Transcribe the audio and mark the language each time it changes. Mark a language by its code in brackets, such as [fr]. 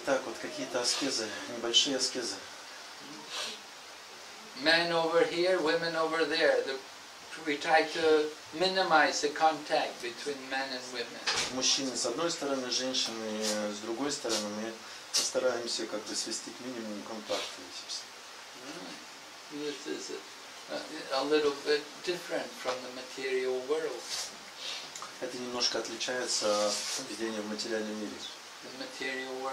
[ru] Итак, вот какие-то аскезы, небольшие аскезы. [en] Men over here, women over there. We try to minimize the contact between men and women. [ru] Мужчины с одной стороны, женщины с другой стороны. Мы постараемся как-то свести к минимуму контакты. [en] This is a little bit different from the material world. [ru] Это немножко отличается от видения в материальном мире.